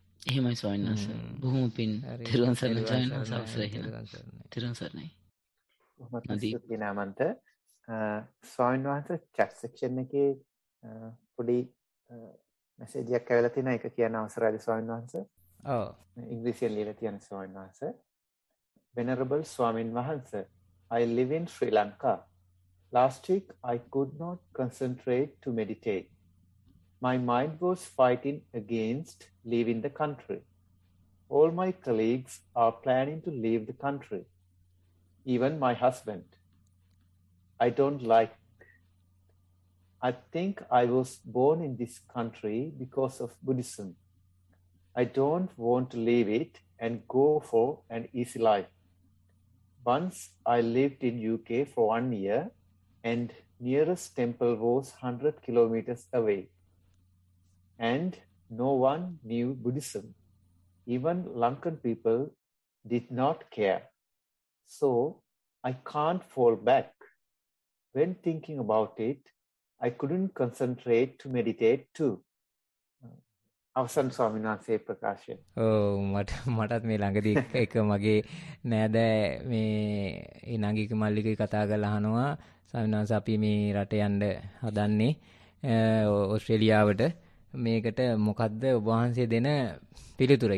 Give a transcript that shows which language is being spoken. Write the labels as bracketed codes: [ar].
[si] එහෙමයි ස්වාමීන් වහන්සේ. බොහොම පින්. තිරුවන් සරණයි ස්වාමීන් වහන්සේ. තිරුවන් සරණයි. ඔබත් සිත් නාමන්ත ස්වාමීන් වහන්සේ චැට් සෙක්ෂන් එකේ පොඩි මැසේජ් එකක් ඇවිල්ලා තිනා, ඒක කියන අවශ්‍යයි ස්වාමීන් වහන්සේ. ඔව්. ඉංග්‍රීසියෙන් ලියලා තියෙන ස්වාමීන් වහන්සේ. [en] Venerable [si] ස්වාමීන් වහන්සේ, [en] I live in Sri Lanka. Last week, I could not concentrate to meditate. My mind was fighting against leaving the country. All my colleagues are planning to leave the country, even my husband. I don't like. I think I was born in this country because of Buddhism. I don't want to leave it and go for an easy life. Once I lived in UK for 1 year and nearest temple was 100 kilometers away and no one knew Buddhism. Even Lankan people did not care. So I can't fall back. When thinking about it, I couldn't concentrate to meditate too. [si] අවසන් ස්වාමීන් වහන්සේ ප්‍රකාශය. ඕ මටත් මේ ළඟදී එක මගේ නෑද මේ ඉනඟික මල්ලිකේ කතා කරලා අහනවා, ස්වාමීන් වහන්සේ අපි මේ රට යන්න හදන්නේ ඕස්ට්‍රේලියාවට, මේකට මොකද්ද ඔබ වහන්සේ දෙන පිළිතුර?